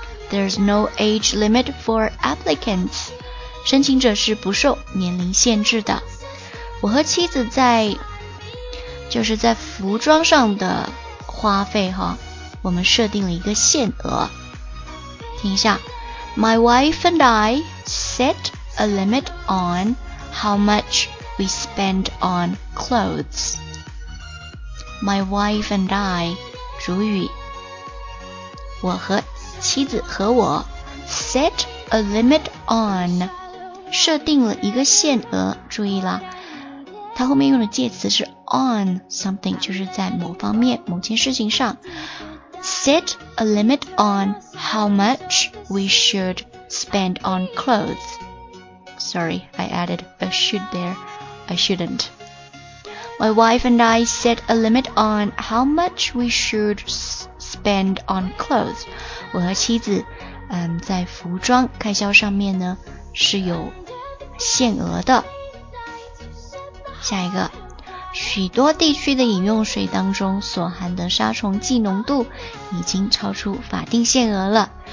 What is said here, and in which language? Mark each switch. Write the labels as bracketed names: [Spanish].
[English] There's no age limit for applicants. [Chinese] 申请者是不受年龄限制的。我和妻子在就是在服装上的花费哈，我们设定了一个限额。听一下 [English] ,My wife and I set a limit on how much we spend on clothes. My wife and I, [Chinese] 主语。我和妻子和我 [English] set a limit on, [Chinese] 设定了一个限额，注意啦。它后面用的介词是 [English] on something, [Chinese] 就是在某方面某件事情上。 [English] Set a limit on how much we should spend on clothes. Sorry, I added a should there. I shouldn't. My wife and I set a limit on how much we should spend on clothes. [Chinese] 我和妻子在服装开销上面呢是有限额的。下一个，许多地区的饮用水当中所含的杀虫剂浓度已经超出法定限额了。